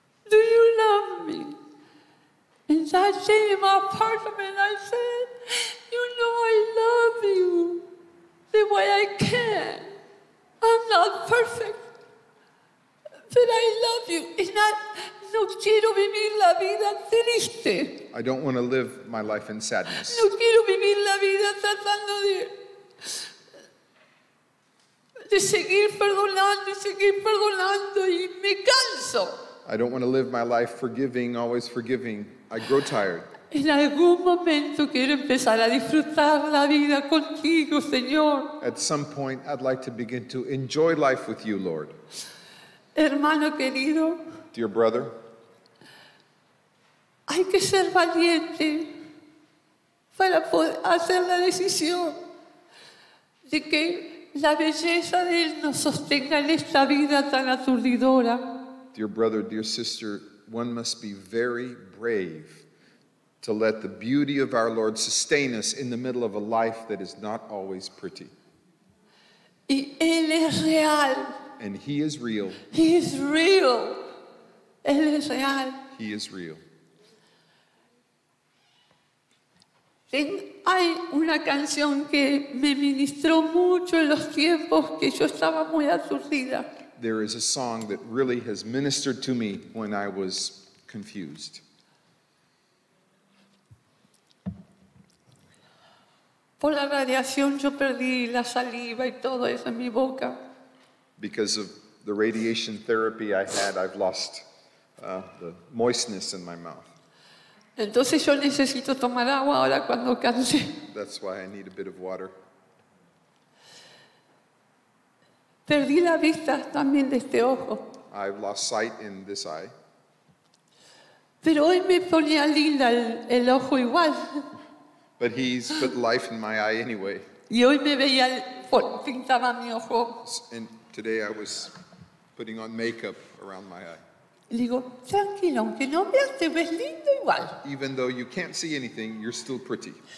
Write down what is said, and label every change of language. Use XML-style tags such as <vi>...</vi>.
<en>Do you love me? And that day in my apartment, I said, you know I love you the way I can. I'm not perfect, but I love you.</en> <es>No quiero vivir la vida triste.</es> <en>I don't want to live my life in sadness.</en> <es>No quiero vivir la vida tratando de seguir perdonando y seguir perdonando y me canso.</es> <en>I don't want to live my life forgiving, always forgiving. I grow tired.</en> <es>En algún momento quiero empezar a disfrutar la vida contigo, Señor.</es> <en>At some point, I'd like to begin to enjoy life with you, Lord.</en> <es>Hermano querido.</es> <en>Dear brother.</en> <es>Hay que ser valiente para poder hacer la decisión de que la belleza de Él nos sostenga en esta vida tan aturdidora.</es> <en>Dear brother, dear sister, one must be very brave to let the beauty of our Lord sustain us in the middle of a life that is not always pretty.</en> <es>Y Él es real.</es> <en>And He is real. He is real.</en> <es>Él es real.</es> <en>He is real.</en> <es>Hay una canción que me ministró mucho en los tiempos que yo estaba muy aturdida.</es> <en>There is a song that really has ministered to me when I was confused.</en> <es>Por la radiación yo perdí la saliva y todo eso en mi boca.</es> <en>Because of the radiation therapy I had, I've lost the moistness in my mouth.</en> <es>Entonces yo necesito tomar agua ahora cuando cante.</es> <en>That's why I need a bit of water.</en> <es>Perdí la vista también de este ojo.</es> <en>I've lost sight in this eye.</en> <es>Pero hoy me ponía linda el ojo igual.</es> <en>But he's put life in my eye anyway.</en> <es>Y hoy me veía, pintaba mi ojo.</es> <en>And today I was putting on makeup around my eye.</en> <es>Le digo, tranquilo, aunque no veas, te ves lindo igual.</es> <en>Even though you can't see anything, you're still pretty.</en>